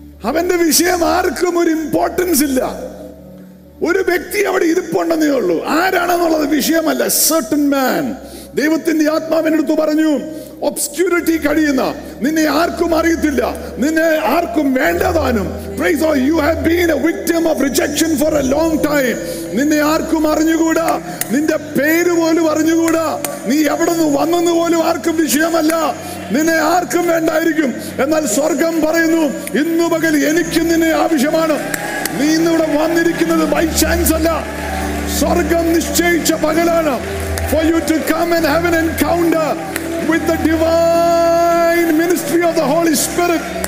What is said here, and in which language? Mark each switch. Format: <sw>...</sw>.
<ml>അവന്റെ വിഷയം ആർക്കും ഒരു ഇമ്പോർട്ടൻസ് ഇല്ല. ഒരു വ്യക്തി അവിടെ ഇരിപ്പുണ്ടെന്നേ ഉള്ളൂ, ആരാണെന്നുള്ളത് വിഷയമല്ല.</ml> <en>certain man,</en> <ml>ദൈവത്തിന്റെ ആത്മാവിനടുത്ത് പറഞ്ഞു, ഒബ്സ്ക്യൂരിറ്റി കഴിയുന്ന, നിന്നെ ആർക്കും അറിയത്തില്ല, നിന്നെ ആർക്കും വേണ്ടതാനും.</ml> <en>Praise the Lord, you have been a victim of rejection for a long time.</en> <ml>നിന്നെ ആർക്കും അറിഞ്ഞുകൂടാ, നിന്റെ പേര് പോലും അറിഞ്ഞുകൂടാ, നീ എവിടെ നിന്ന് വന്നെന്ന് പോലും ആർക്കും വിഷയമല്ല, നിന്നെ ആർക്കും വേണ്ടായിരിക്കും. എന്നാൽ സ്വർഗം പറയുന്നു, ഇന്നു പകൽ എനിക്ക് നിന്നെ ആവശ്യമാണ്. നീ ഇന്നിവിടെ വന്നിരിക്കുന്നത്</ml> <en>by chance</en> <ml>അല്ല, സ്വർഗം നിശ്ചയിച്ച പകലാണ്.</ml> <en>For you to come and have an encounter with the divine ministry of the Holy Spirit.</en>